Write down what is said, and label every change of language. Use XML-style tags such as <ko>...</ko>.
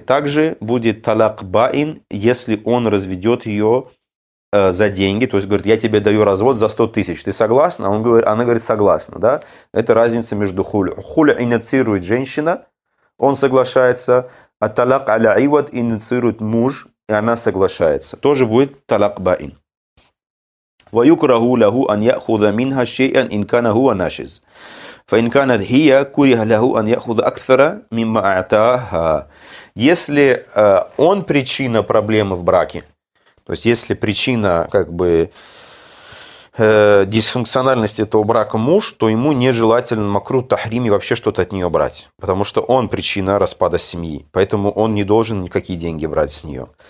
<ru>Также будет талак баин, если он разведет ее за деньги. То есть, говорит, я тебе даю развод за 100 тысяч. Ты согласна? Она говорит, согласна. Да? Это разница между хуля. Хуля инициирует женщина, он соглашается. А талак аля ивад инициирует муж, и она соглашается. Тоже будет талак баин.</ru> <ar>ويكره له أن يأخذ منها شيئا إن كان هو ناشز فإن كانت هي كره له أن يأخذ أكثر مما أعطاها.</ar> <ru>Если он причина проблемы в браке, то есть если причина как бы дисфункциональности этого брака муж, то ему нежелательно макрут тахрим и вообще что-то от нее брать, потому что он причина распада семьи, поэтому он не должен никакие деньги брать с нее.</ru>